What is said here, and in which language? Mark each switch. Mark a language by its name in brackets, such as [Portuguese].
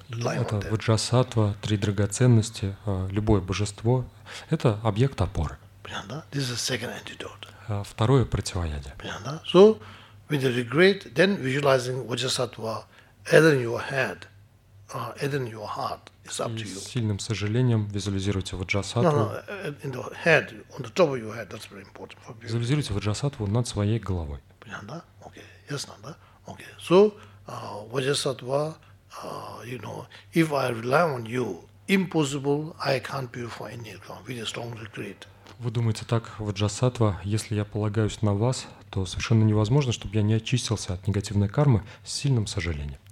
[Russian] Это Vajrasattva, три драгоценности, любое божество – это объект опоры. [English] Понятно, да? This is the second antidote. [Russian] Второе противоядие. Понятно, да? [English] So, with the regret, then visualizing Vajrasattva, adding your head, in your heart, it's up to you. [Russian] С сильным сожалением визуализируйте Vajrasattva. [English] No, in the head, on the top of your head, that's very important for [Russian] people. Визуализируйте Vajrasattva над своей головой. Понятно, да? Okay, ясно, да? Okay. [English] So, Vajrasattva, you know, if I rely on you, impossible, I can't purify any account with a strong regret. [Russian] Вы думаете так, Vajrasattva, если я полагаюсь на вас, то совершенно невозможно, чтобы я не очистился от негативной кармы с сильным сожалением.